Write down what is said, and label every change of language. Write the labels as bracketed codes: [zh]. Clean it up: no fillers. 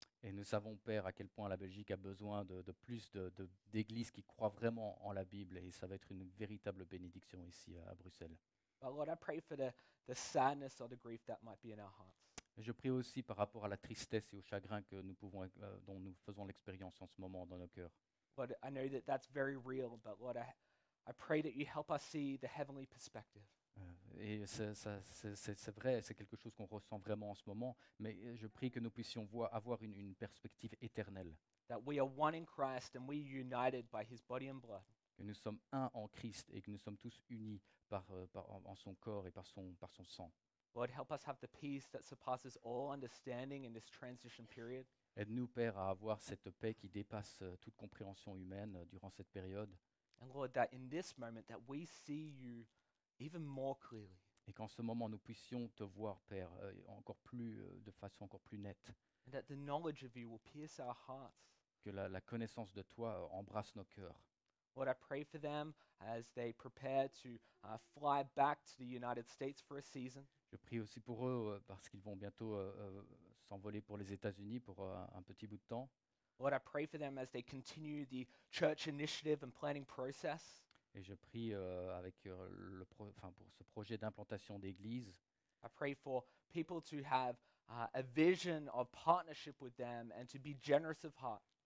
[fr] Et nous savons, Père, à quel point la Belgique a besoin de plus d'églises qui croient vraiment en la Bible, et ça va être une véritable bénédiction ici à Bruxelles. [en] But Lord, I pray for the sadness or the grief that might be in our hearts. [fr] Je prie aussi par rapport à la tristesse et au chagrin que nous pouvons, dont nous faisons l'expérience en ce moment dans nos cœurs. [en] Lord, I know that that's very real, but Lord, I pray that you help us see the heavenly perspective. [fr] Et c'est vrai, c'est quelque chose qu'on ressent vraiment en ce moment, mais je prie que nous puissions avoir une perspective éternelle. [en] That we are one in Christ and we are united by his body and blood. [fr] Que nous sommes un en Christ et que nous sommes tous unis en son corps et par son sang. [en] Lord, help us have the peace that surpasses all understanding in this transition period. [fr] Aide-nous, Père, à avoir cette paix qui dépasse toute compréhension humaine durant cette période. [en] And Lord, that in this moment that we see you even more clearly. [fr] Et qu'en ce moment nous puissions te voir, Père, encore plus de façon encore plus nette. [en] And that the knowledge of you will pierce our hearts. [fr] Que la connaissance de toi embrasse nos cœurs. [en] Lord, I pray for them as they prepare to fly back to the United States for a season. [fr] Je prie aussi pour eux parce qu'ils vont bientôt s'envoler pour les États-Unis pour un petit bout de temps. [en] Lord, I pray for them as they continue the church initiative and planning process. [fr] Et je prie avec pour ce projet d'implantation d'église. [en] I pray for people to have a vision of partnership with them and to be generous of heart.